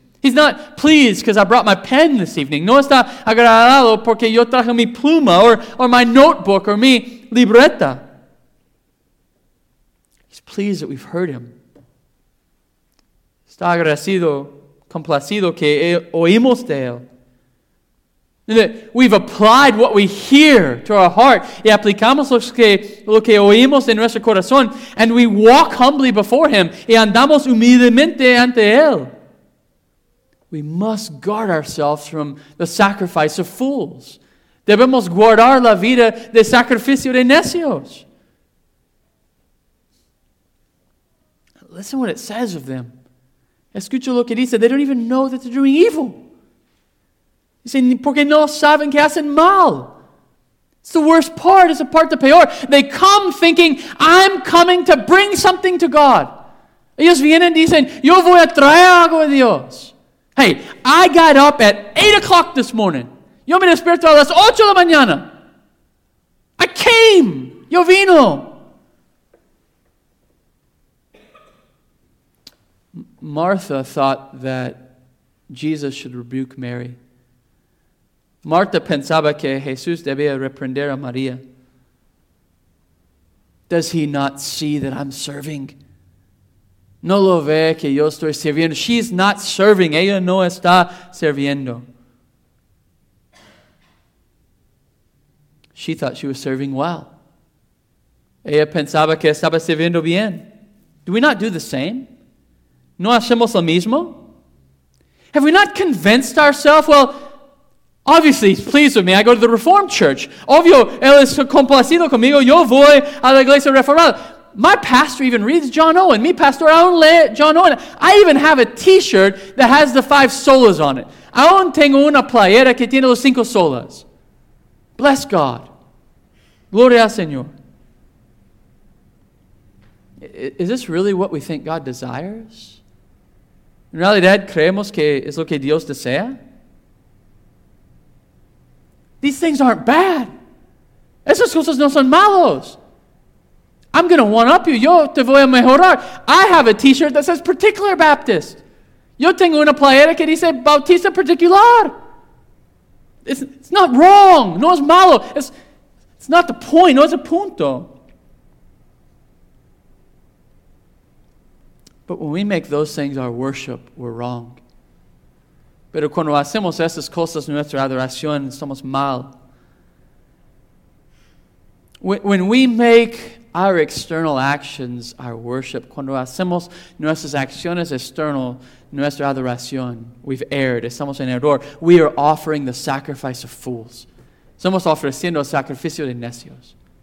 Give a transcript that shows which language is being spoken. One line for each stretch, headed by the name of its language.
English: He's not pleased because I brought my pen this evening.
Spanish: No está agradado porque yo traje mi pluma
English: or my notebook or
Spanish: mi libreta.
English: He's pleased that we've heard him.
Spanish: Está agradecido, complacido que oímos de él.
English: And that we've applied what we hear to our heart
Spanish: y aplicamos lo que oímos en nuestro corazón,
English: and we walk humbly before him
Spanish: y andamos humildemente ante él.
English: We must guard ourselves from the sacrifice of fools.
Spanish: Debemos guardar la vida de sacrificio de necios.
English: Listen what it says of them.
Spanish: Escucha lo que dice.
English: They don't even know that they're doing evil. You say,
Spanish: porque no saben que hacen mal.
English: It's the worst part. It's the part the peor. They come thinking, I'm coming to bring something to God.
Spanish: Ellos vienen y dicen, yo voy a traer algo a Dios.
English: Hey, I got up at 8 o'clock this morning.
Spanish: Yo me despierto a las 8 de la mañana.
English: I came.
Spanish: Yo vino.
English: Martha thought that Jesus should rebuke Mary.
Spanish: Martha pensaba que Jesús debía reprender a María.
English: Does he not see that I'm serving?
Spanish: No lo ve que yo estoy sirviendo.
English: She's not serving.
Spanish: Ella no está sirviendo.
English: She thought she was serving well.
Spanish: Ella pensaba que estaba sirviendo bien.
English: Do we not do the same?
Spanish: ¿No hacemos lo mismo?
English: Have we not convinced ourselves? Well, obviously, he's pleased with me. I go to the Reformed Church.
Spanish: Obvio, él es complacido conmigo. Yo voy a la iglesia reformada.
English: My pastor even reads John Owen.
Spanish: Mi pastor, aún lee John Owen.
English: I even have a t-shirt that has the five solas on it.
Spanish: Aún tengo una playera que tiene los cinco solas.
English: Bless God.
Spanish: Gloria al Señor.
English: Is this really what we think God desires?
Spanish: En realidad, creemos que es lo que Dios desea.
English: These things aren't bad.
Spanish: Esas cosas no son malos.
English: I'm going to one-up you.
Spanish: Yo te voy a mejorar.
English: I have a t-shirt that says Particular Baptist.
Spanish: Yo tengo una playera que dice Bautista Particular.
English: It's not wrong.
Spanish: No es malo.
English: It's not the point.
Spanish: No es el punto.
English: But when we make those things our worship, we're wrong.
Spanish: Pero cuando hacemos esas cosas nuestra adoración, estamos mal.
English: When we make our external actions, our worship,
Spanish: cuando hacemos nuestras acciones externas, nuestra adoración,
English: we've erred,
Spanish: estamos en error.
English: We are offering the sacrifice of fools.
Spanish: Estamos ofreciendo el sacrificio de necios.